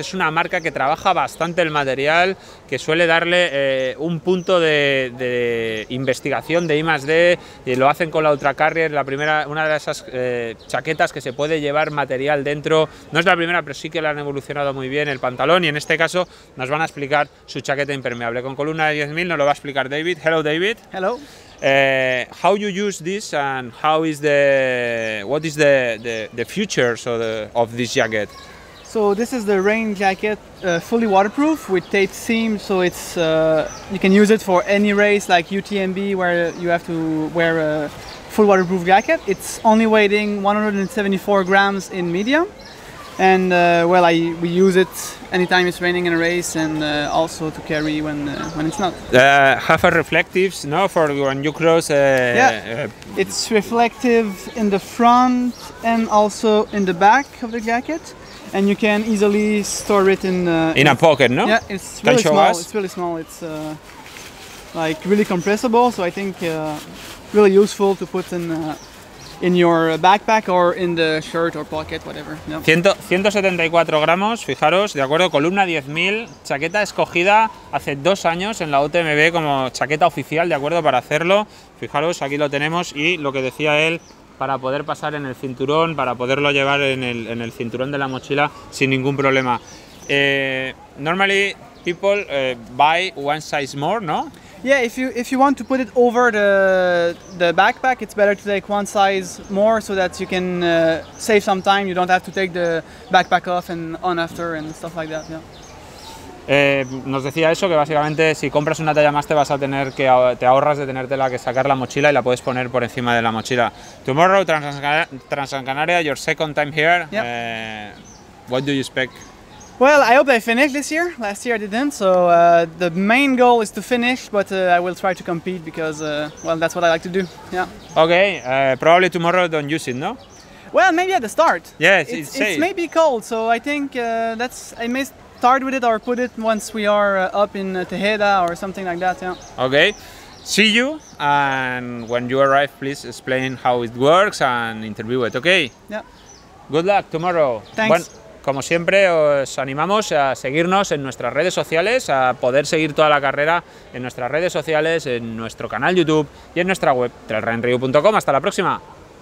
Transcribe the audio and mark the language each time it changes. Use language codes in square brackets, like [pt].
[es] Es una marca que trabaja bastante el material, que suele darle un punto de investigación de I+D, y lo hacen con la Ultra Carrier, la primera, una de esas chaquetas que se puede llevar material dentro. No es la primera, pero sí que la han evolucionado muy bien el pantalón, y en este caso nos van a explicar su chaqueta impermeable con columna de 10.000, nos lo va a explicar David. [en] Hello David. Hello. How you use this and how is the what is the future of this jacket? So this is the rain jacket, fully waterproof with tape seam, so it's you can use it for any race like UTMB where you have to wear a full waterproof jacket. It's only weighing 174 grams in medium, and we use it anytime it's raining in a race, and also to carry when it's not. Have a reflectives, no, for when you cross. It's reflective in the front and also in the back of the jacket, and you can easily store it in a pocket, no? Yeah, it's really can small. Us? It's really small. It's really compressible, so I think really useful to put in. In your backpack or in the shirt or pocket, whatever. No. [es] 174 gramos, fijaros, de acuerdo, columna 10.000, chaqueta escogida hace 2 años en la UTMB como chaqueta oficial, de acuerdo, para hacerlo. Fijaros, aquí lo tenemos, y lo que decía él, para poder pasar en el cinturón, para poderlo llevar en el cinturón de la mochila sin ningún problema. [en] Normally people buy one size more, no? Yeah, if you want to put it over the backpack, it's better to take one size more so that you can save some time. You don't have to take the backpack off and on after and stuff like that. Yeah. [es] Nos decía eso, que básicamente si compras una talla más te ahorras de tenértela que sacar la mochila y la puedes poner por encima de la mochila. [en] Tomorrow Transgrancanaria, your second time here. Yep. What do you expect? Well, I hope I finish this year. Last year I didn't, so the main goal is to finish, but I will try to compete because, that's what I like to do, yeah. Okay, probably tomorrow don't use it, no? Well, maybe at the start. Yes, it's safe. It's maybe cold, so I think I may start with it or put it once we are up in Tejeda or something like that, yeah. Okay, see you, and when you arrive, please explain how it works and interview it, okay? Yeah. Good luck tomorrow. Thanks. [es] Como siempre, os animamos a seguirnos en nuestras redes sociales, a poder seguir toda la carrera en nuestras redes sociales, en nuestro canal YouTube y en nuestra web, trailrunningreview.com. ¡Hasta la próxima!